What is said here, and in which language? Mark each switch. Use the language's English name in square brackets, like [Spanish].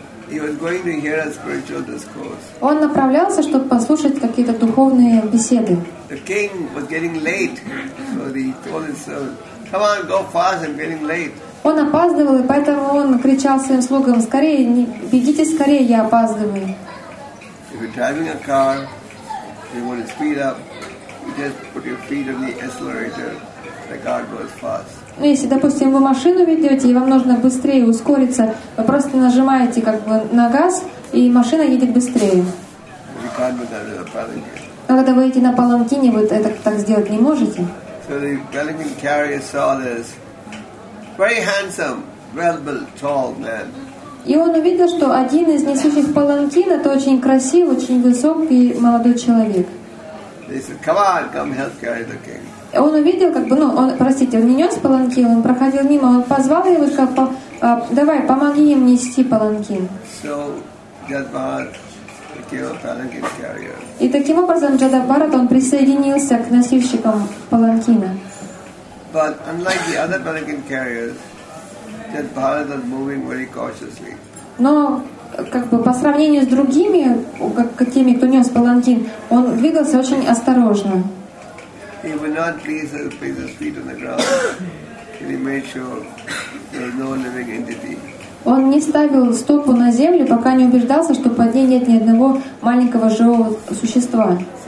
[English] He was going to hear a spiritual discourse. [Russian] Он направлялся, чтобы послушать какие-то духовные беседы. [English] The king was getting late, so he told his servant, "Come on, go fast, I'm getting late." [Russian] Он опаздывал, и поэтому он кричал своим слугам: "Скорее, не, бегите скорее, я опаздываю." [English] If you're driving a car, you want to speed up. You just put your feet on the accelerator. The car goes fast. [Russian] Ну если, допустим, вы машину ведете и вам нужно быстрее ускориться, вы просто нажимаете как бы на газ и машина едет быстрее. [English] You can't do that with a palanquin. [Russian] Но когда вы едете на паланкине, вы это так сделать не можете. [English] So the palanquin carrier saw this very handsome, well-built, tall man. [Russian] И он увидел, что один из несущих паланкин это очень красивый, очень высокий молодой человек. [English] They said, "Come on, come help carry the king." [Russian] Он увидел, как бы, ну, он, простите, он не нес паланкин, он проходил мимо, он позвал его, сказал: "Давай, помоги им нести паланкин." [English] So, Jadavara became a palanquin carrier. [Russian] И таким образом Джадабарат он присоединился к носильщикам паланкина. [English] But unlike the other palanquin carriers, Jadavara was moving very cautiously. [Russian] Но как бы по сравнению с другими, как теми, кто нес паланкин, он двигался очень осторожно. [English] He will not leave the place of feet on the ground. He made sure there was no living entity. [Russian] Он не ставил стопу на землю, пока не убеждался, что под ней нет ни одного маленького живого существа.